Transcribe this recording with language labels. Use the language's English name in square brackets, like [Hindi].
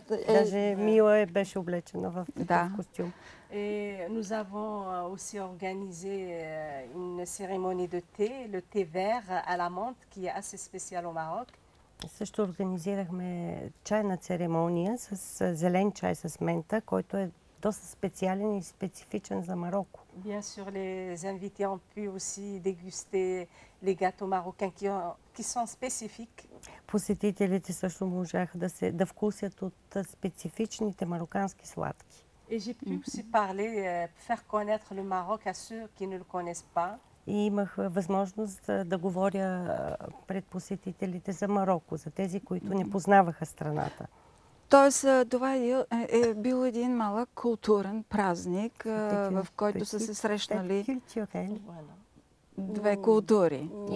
[Bulgarian] Даже Мила беше облечена в такъв костюм. [French] Et nous avons aussi organisé une cérémonie de thé, le thé vert à la menthe, qui est assez spécial au Maroc. [Bulgarian] Също организирахме чайна церемония с зелен чай с мента, който е доста специален и специфичен за Марокко. [French] Bien sûr, les invités ont pu aussi déguster les gâteaux marocains qui sont spécifiques. [Bulgarian] Посетителите също можаха да вкусят от специфичните марокански сладки. [French] Et j'ai pu aussi parler, faire connaître le Maroc à ceux qui ne le connaissent pas. [Bulgarian] И имах възможност да говоря пред посетителите за Марокко, за тези, които не познаваха страната. Тоест, това е бил един малък културен празник, в който са се срещнали две култури.